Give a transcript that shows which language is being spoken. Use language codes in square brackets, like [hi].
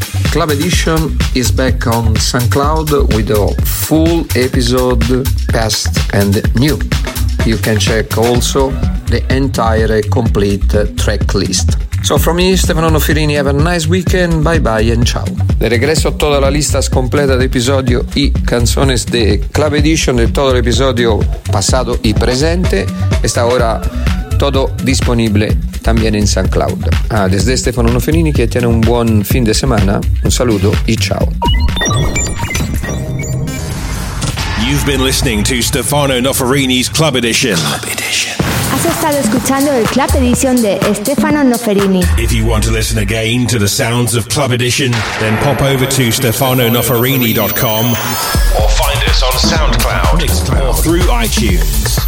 [en] Club Edition is back on SoundCloud with a full episode, past and new. You can check also the entire complete track list. So from me, Stefano Noferini, have a nice weekend, bye bye and ciao. [es] De regreso a toda la lista completa de episodio y canciones de Club Edition, de todo el episodio pasado y presente, está ahora todo disponible también en SoundCloud. Ah, desde Stefano Noferini, que tiene un buen fin de semana, un saludo y ciao. [en] You've been listening to Stefano Noferini's Club Edition. Club [es] Edition. Has estado escuchando el Club Edition de Stefano Noferini. [en] If you want to listen again to the sounds of Club Edition, then pop over to StefanoNoferini.com or find us on SoundCloud or through iTunes.